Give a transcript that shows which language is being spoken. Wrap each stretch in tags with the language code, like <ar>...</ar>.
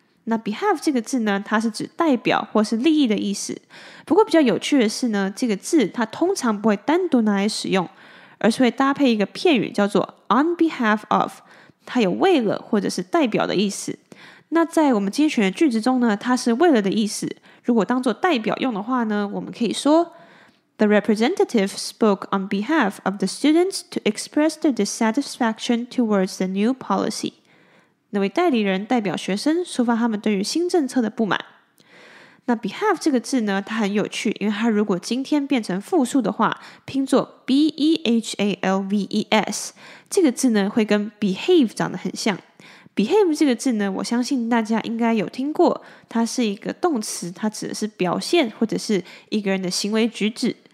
<zh>那 behalf 这个字呢，它是指代表或是利益的意思。不过比较有趣的是呢，这个字它通常不会单独拿来使用，而是会搭配一个片语叫做 on behalf of。它有为了或者是代表的意思。那在我们今天选的句子中呢，它是为了的意思。如果当作代表用的话呢，我们可以说</zh> <en>The representative spoke on behalf of the students to express their dissatisfaction towards the new policy.</en> <zh>那位代理人代表学生抒发他们对于新政策的不满。那 behalf 这个字呢，它很有趣，因为它如果今天变成复数的话，拼作 B-E-H-A-L-V-E-S， 这个字呢会跟 behave 长得很像。 behave 这个字呢，我相信大家应该有听过，它是一个动词，它指的是表现或者是一个人的行为举止。</zh>